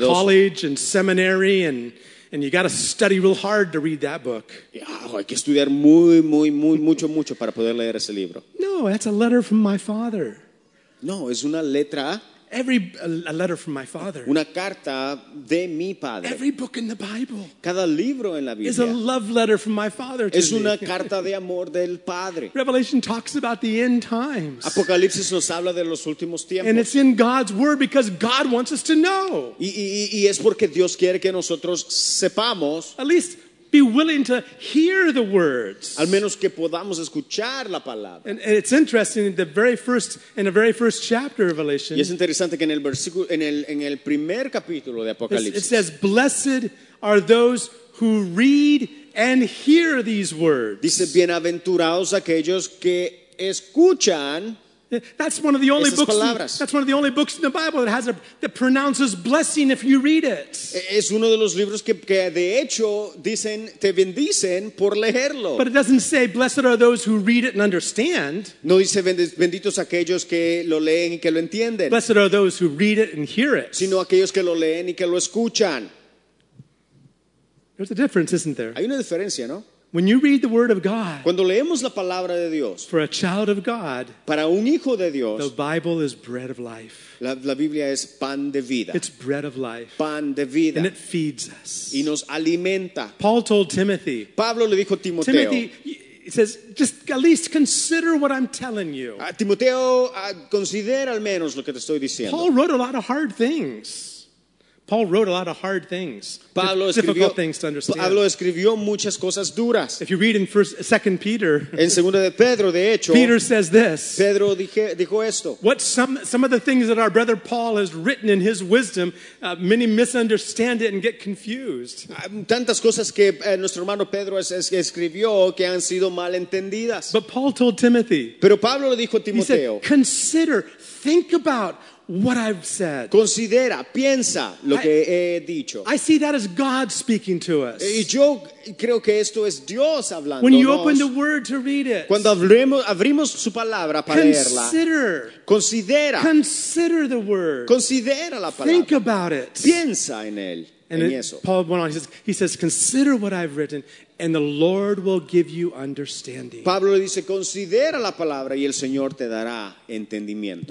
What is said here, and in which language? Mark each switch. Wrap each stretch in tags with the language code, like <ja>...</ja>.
<en>To college and seminary and you got to study real hard to read that book.</en> <es>Oh, hay que estudiar muy, muy, muy, mucho, mucho para poder leer ese libro.</es> <en>No, that's a letter from my father.</en> <es>No, es una letra.</es> <en>Every a letter from my father.</en> <es>Una carta de mi padre.</es> <en>Every book in the Bible.</en> <es>Cada libro en la Biblia.</es> <en>Is a love letter from my father to</en> <es>es una</es> <en>me.</en> <es>Carta de amor del padre.</es> <en>Revelation talks about the end times.</en> <es>Apocalipsis nos habla de los últimos tiempos.</es> <en>And it's in God's word because God wants us to know.</en> <es>Y es porque Dios quiere que nosotros sepamos.</es> <en>At least be willing to hear the words.</en> <es>Al menos que podamos escuchar la palabra.</es> <en>And it's interesting in the very first in the very first chapter of Revelation.</en> <es>Y es interesante que en el versículo en el primer capítulo de Apocalipsis.</es> <en>It says, "Blessed are those who read and hear these words."</en> <es>Dice, "Bienaventurados aquellos que escuchan."</es> <en>That's one of the only books. That's one of the only books in the Bible that has that pronounces blessing if you read it.</en> <es>Es uno de los libros que de hecho dicen te bendicen por leerlo.</es> <en>But it doesn't say blessed are those who read it and understand.</en> <es>No dice benditos aquellos que lo leen y que lo entienden.</es> <en>Blessed are those who read it and hear it.</en> <es>Sino aquellos que lo leen y que lo escuchan.</es> <en>There's a difference, isn't there?</en> <es>Hay una diferencia, ¿no?</es> <en>When you read the word of God,</en> <es>cuando leemos la palabra de Dios,</es> <en>for a child of God,</en> <es>para un hijo de Dios,</es> <en>the Bible is bread of life.</en> <es>La Biblia es pan de vida.</es> <en>It's bread of life.</en> <es>Pan de vida.</es> <en>And it feeds us.</en> <es>Y nos alimenta.</es> <en>Paul told Timothy.</en> <es>Pablo le dijo a Timoteo.</es> <en>Timothy, he says, just at least consider what I'm telling you.</en> <es>Timoteo, considera al menos lo que te estoy diciendo.</es> <en>Paul wrote a lot of hard things. Paul wrote a lot of hard things.</en> <es>Pablo</es> <en>difficult</en> <es>escribió,</es> <en>things to understand.</en> <es>Pablo escribió muchas cosas duras.</es> <en>If you read in 2 Peter,</en> <es>en segunda de Pedro, de hecho,</es> <en>Peter says this.</en> <es>Pedro dijo esto.</es> <en>What some of the things that our brother Paul has written in his wisdom, many misunderstand it and get confused.</en> <es>Tantas cosas que nuestro hermano Pedro escribió que han sido mal entendidas.</es> <en>But Paul told Timothy.</en> <es>Pero Pablo le dijo a Timoteo.</es> <en>He said, consider, think about what I've said.</en> <es>Considera, piensa lo que he dicho.</es> <en>I see that as God speaking to us.</en> <es>Y yo creo que esto es Dios hablándonos.</es> <en>When you open the word to read it.</en> <es>Cuando abrimos su palabra para leerla.</es> <en>Consider.</en> <es>Considera.</es> <en>Consider the word.</en> <es>Considera la palabra.</es> <en>Think about it.</en> <es>Piensa en él.</es> <en>And Paul went on, he says, consider what I've written, and the Lord will give you understanding.</en> <es>Pablo dice, considera la palabra, y el Señor te dará entendimiento.</es>